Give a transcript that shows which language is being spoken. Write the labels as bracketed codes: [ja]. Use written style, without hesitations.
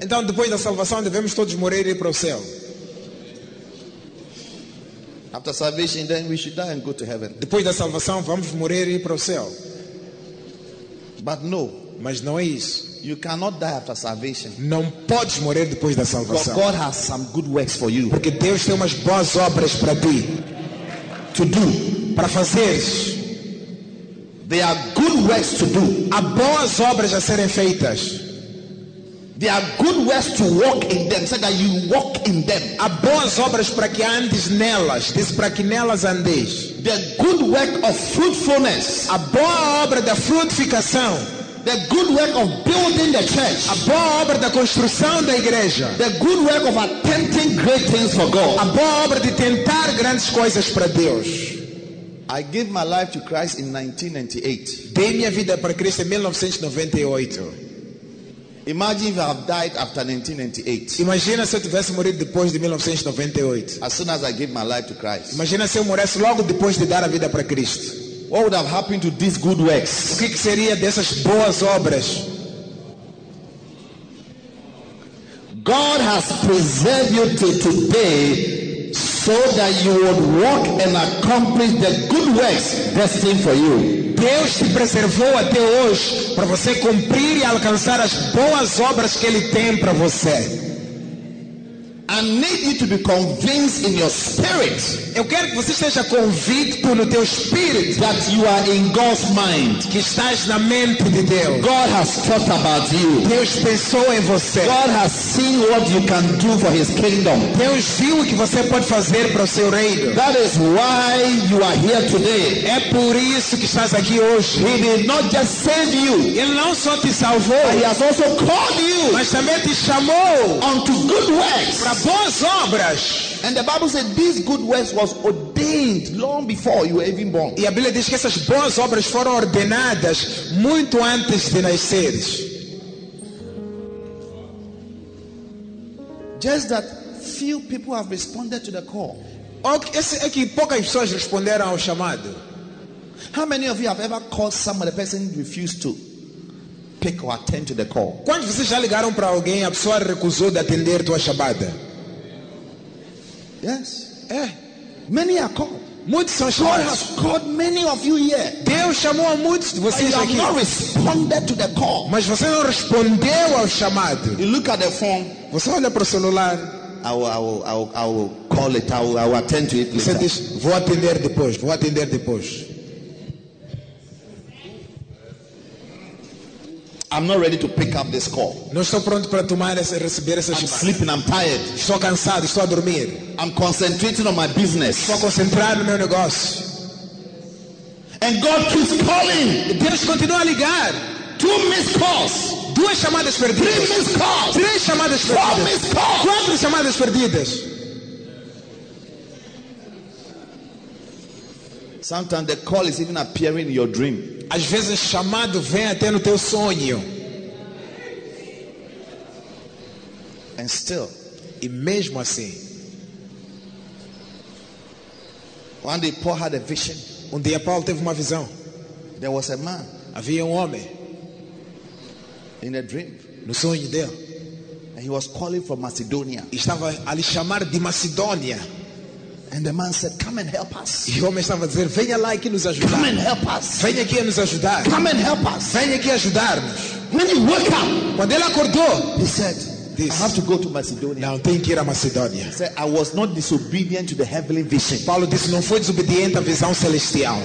[pt] Então depois da salvação devemos todos morrer e ir para o céu. [en] After salvation, then we should die and go to heaven. [pt] Depois da salvação, vamos morrer e ir para o céu. [en] But no, [pt] mas não é isso. [en] You cannot die after salvation. [pt] Não podes morrer depois da salvação. [en] But God has some good works for you. [pt] Porque Deus tem umas boas obras para ti. [en] To do, [pt] para fazer. [en] There are good works to do. [pt] Há boas obras a serem feitas. [en] There are good works to walk in them, so that you walk in them. [pt] Há boas obras para que andes nelas, diz, para que nelas andes. [en] The good work of fruitfulness. [pt] A boa obra da frutificação. [en] The good work of building the church. [pt] A boa obra da construção da igreja. [en] The good work of attempting great things for God. [pt] A boa obra de tentar grandes coisas para Deus. [en] I gave my life to Christ in 1998. [pt] Dei minha vida para Cristo em 1998. [en] Imagine if I have died after 1998. [pt] Imagina se eu tivesse morrido depois de 1998. [en] As soon as I gave my life to Christ. [pt] Imagina se eu morresse logo depois de dar a vida para Cristo. [en] What would have happened to these good works? [pt] O que seria dessas boas obras? [en] God has preserved you to today so that you would walk and accomplish the good works destined for you. [pt] Deus te preservou até hoje para você cumprir e alcançar as boas obras que Ele tem para você. [en] I need you to be convinced in your spirit. [pt] Eu quero que você esteja convicto no teu espírito [en] that you are in God's mind. [pt] Que estás na mente de Deus. [en] God has thought about you. [pt] Deus pensou em você. [en] God has seen what you can do for His kingdom. [pt] Deus viu o que você pode fazer para o seu reino. [en] That is why you are here today. [pt] É por isso que estás aqui hoje. [en] He did not just save you. [pt] Ele não só te salvou. [en] But He has also called you. [pt] Mas também te chamou [en] unto good works. [pt] Boas obras. [en] And the Bible said these good works was ordained long before you were even born. [pt] E a Bíblia diz que essas boas obras foram ordenadas muito antes de nasceres. [en] Just that few people have responded to the call. [pt] É que poucas pessoas responderam ao chamado. [en] How many of you have ever called someone the person refused to pick or attend to the call? [pt] Quantos vocês já ligaram para alguém e a pessoa recusou de atender tua chamada? [en] Yes. [pt] É. [en] Many are called. [pt] Muitos são [en] chamados. God has called many of you here. [pt] Deus chamou a muitos de vocês aqui. [en] You have not responded to the call. [pt] Mas você não respondeu ao chamado. [en] You look at the phone. [pt] Você olha para o celular. [en] I will call it. I will attend to it later. [pt] Você diz, vou atender depois. Vou atender depois. [en] I'm not ready to pick up this call. [pt] Não estou pronto para tomar essa, receber essa chamada. [en] I'm sleeping, I'm tired. [pt] Estou cansado, estou a dormir. [en] I'm concentrating on my business. [pt] Estou concentrado no meu negócio. [en] And God keeps calling. [pt] Deus continua a ligar. [en] Two missed calls. [pt] Duas chamadas perdidas. [en] Three missed calls. [pt] Três chamadas perdidas. [en] Four missed calls. [pt] Quatro chamadas perdidas. [en] Sometimes the call is even appearing in your dream. [pt] Às vezes o chamado vem até no teu sonho. [en] And still, [pt] e mesmo assim, [en] one day Paul had a vision. [pt] Um dia Paulo teve uma visão. [en] There was a man. [pt] Havia um homem. [en] In a dream. [pt] No sonho dele. [en] And he was calling from Macedonia. [pt] E estava a lhe chamar de Macedônia. [en] And the man said, "Come and help us." [pt] E o homem estava a dizer, venha lá e que nos ajudar. [en] Come and help us. [pt] Venha aqui a nos ajudar. [en] Come and help us. [pt] Venha aqui a ajudar-nos. [en] When he woke up, [pt] quando ele acordou, [en] he said, "This, I have to go to Macedonia." [pt] Now, tenho que ir a Macedônia. [en] He said, "I was not disobedient to the heavenly vision." [pt] Paulo disse, não foi desobediente à visão celestial.